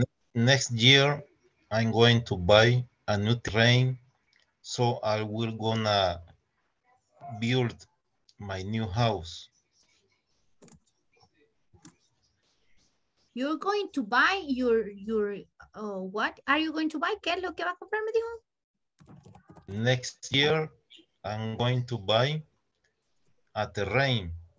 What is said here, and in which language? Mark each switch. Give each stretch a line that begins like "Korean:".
English: Ok, next year, I'm going to buy a new train. So I will gonna build my new house. You're going to buy your what are you going to buy?
Spanish: ¿Qué es lo que va a comprar, me dijo?
English: Next year, I'm going to buy a terrain.